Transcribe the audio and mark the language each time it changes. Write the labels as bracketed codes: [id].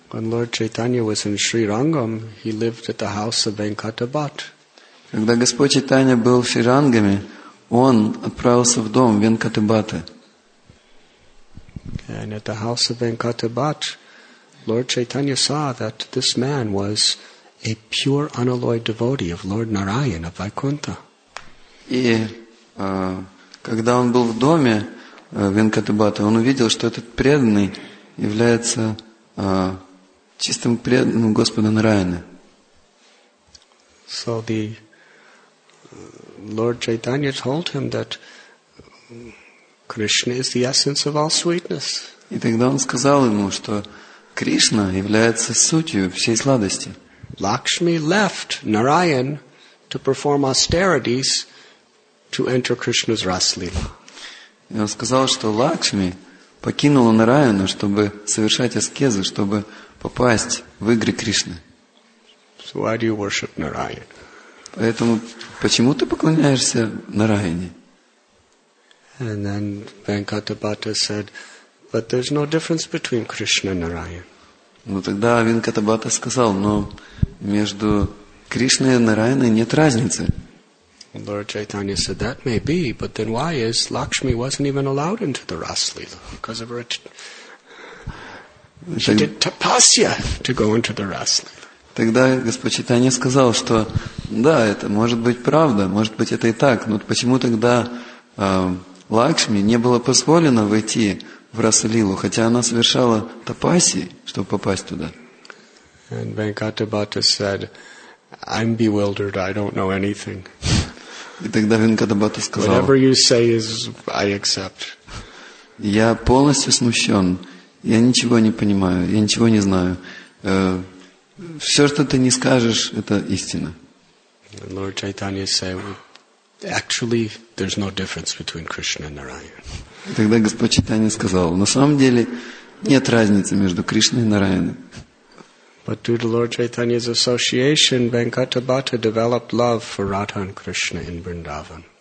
[en] When Lord Chaitanya was in Sri Rangam, he lived at the house of Venkata Bhat. [ru] Когда Господь Чайтанья был в Шри-Рангаме, он отправился в дом Венкаты Бхаты. [en] And at the house of Venkata Bhat, Lord Chaitanya saw that this man was a pure unalloyed devotee of Lord Narayan of Vaikuntha. [ru] И когда он был в доме Венкаты Бхаты, он увидел, что этот преданный является чистым преданным Господа Нараяны. [en] So the Lord Chaitanya told him that Krishna is the essence of all sweetness. [ru] И тогда он сказал ему, что Кришна является сутью всей сладости. [en] Lakshmi left Narayan to perform austerities to enter Krishna's Rasleela. [ru] И он сказал, что Лакшми покинула Нараяну, чтобы совершать аскезы, чтобы попасть в игры Кришны. [en] So why do you worship Narayan? [ru] Поэтому почему ты поклоняешься Нараяне? [en] And then Venkata Bhatta said, but there's no difference between Krishna and Narayan. [ru] Ну тогда Венката Бхатта сказал, но между Кришной и Нараяной нет разницы. [en] Lord Chaitanya said, that may be, but then why is Lakshmi wasn't even allowed into the Rasleela? Because of her... She did tapasya to go into the Rasleela. [ru] Тогда Господь Чайтанья сказал, что да, это может быть правда, может быть это и так, но почему тогда Лакшми не было позволено войти в Раслилу, хотя она совершала тапаси, чтобы попасть туда? [en] And Venkata Bhatta said, I'm bewildered, I don't know anything. [ru] И тогда Венката Бхатта сказал, [en] whatever you say is, I accept. [ru] Я полностью смущен, я ничего не понимаю, я ничего не знаю. Все, что ты не скажешь, это истина. [en] Lord Chaitanya said, actually, there's no difference between Krishna and Narayan. [ru] И тогда Господь Чайтанья сказал, на самом деле нет разницы между Кришной и Нараяной. [en] But due to Lord Chaitanya's association, Venkata Bhatta developed love for Radha and Krishna in Vrindavan.